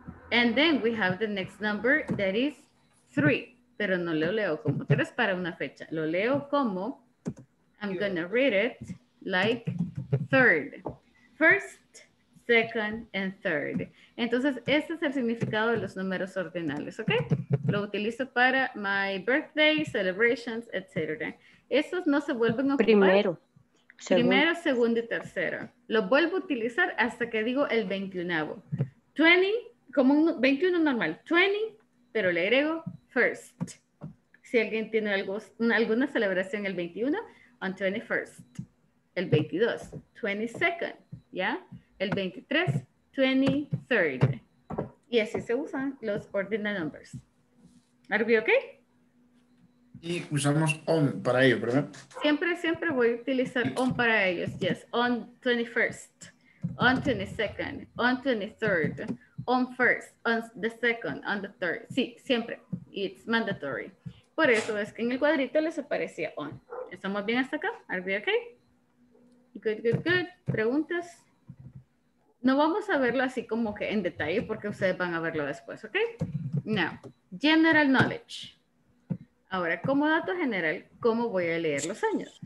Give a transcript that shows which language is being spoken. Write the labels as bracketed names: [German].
[English] And then we have the next number that is 3. [Spanish] Pero no lo leo como 3 para una fecha. Lo leo como, [English] I'm gonna read it like 3rd. First, second, and third. [Spanish] Entonces, este es el significado de los números ordinales, ¿ok? Lo utilizo para [English] my birthday, celebrations, [Spanish] etc. Estos no se vuelven a ocupar. Primero. Primero, segundo y tercero. Lo vuelvo a utilizar hasta que digo el 21avo. 20, como un 21 normal. 20, pero le agrego first. Si alguien tiene alguna celebración el 21, [English] on 21st. [Spanish] El 22, 22nd, ¿ya? El 23, 23rd. Y así se usan los [English] ordinal numbers. ¿Are we okay? [Spanish] Y usamos on para ellos, ¿verdad? Siempre voy a utilizar on para ellos. [English] Yes, on 21st, on 22nd, on 23rd, on 1st, on the 2nd, on the 3rd. [Spanish] Sí, siempre. [English] It's mandatory. [Spanish] Por eso es que en el cuadrito les aparecía on. ¿Estamos bien hasta acá? [English] ¿Are we okay? Good, good, good. [Spanish] ¿Preguntas? No vamos a verlo así como que en detalle porque ustedes van a verlo después, ¿ok? [English] Now, general knowledge. [Spanish] Ahora, como dato general, ¿cómo voy a leer los años?